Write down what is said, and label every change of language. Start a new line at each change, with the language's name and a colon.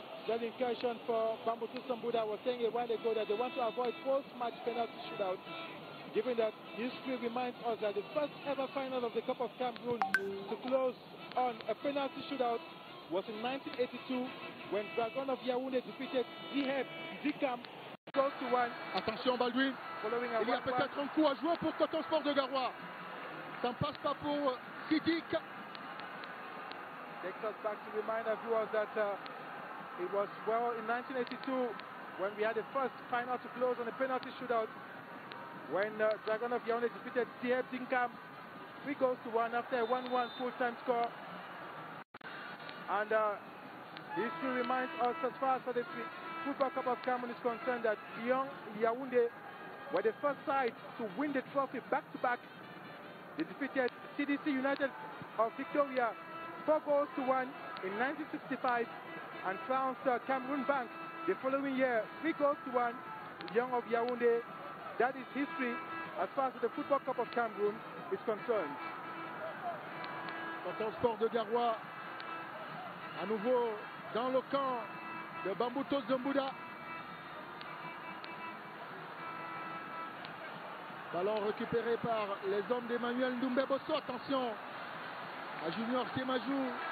English: That incursion for Bamboutos Mbouda was saying a while ago that they want to avoid post-match penalty shootout. Given that history reminds us that the first ever final of the Cup of Cameroun to close on a penalty shootout was in 1982 when Dragon of Yaoundé defeated Diheb Dikam 12-1.
French: Attention Baldwin, il y a peut-être un coup à jouer pour Coton Sport de Garoua. Ça ne passe pas pour Sidik.
English: Takes us back to remind our viewers that it was well in 1982 when we had the first final to close on a penalty shootout. When Dragon of Yaoundé defeated Diheb Dinkam, 3-1 after a 1-1 full-time score. And history reminds us, as far as the Football Cup of Cameroon is concerned, that Young Yaoundé were the first side to win the trophy back-to-back. They defeated CDC United of Victoria 4-1 in 1965 and trounced Cameroon Bank the following year, 3-1, Young of Yaoundé. That is history as far as the Football Cup of Cameroon is concerned.
French: Coton Sport de Garoua, à nouveau dans le camp de Bamboutos de Mbouda. Ballon récupéré par les hommes d'Emmanuel Ndoumbé-Bosso. Attention à Junior Semajou.